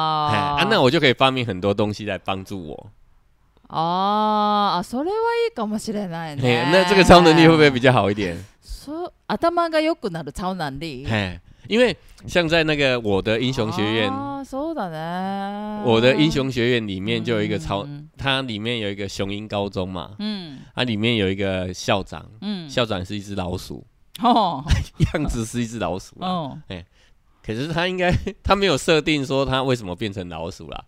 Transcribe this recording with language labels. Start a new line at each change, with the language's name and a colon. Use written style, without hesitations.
Chinese: 啊，那我就可以发明很多东西来帮助我。
Japanese: 哦，啊，それはいいかもしれないね。
Chinese: 那这个超能力会不会比较好一点？
Japanese: そう、頭が良くなる超能力。
Chinese: 因为像在那个我的英雄学院，
Japanese: 啊，そうだね。
Chinese: 我的英雄学院里面就有一个超，它里面有一个雄鹰高中嘛，它里面有一个校长，校长是一只老鼠，样子是一只老鼠，可是他应该他没有设定说他为什么变成老鼠啦，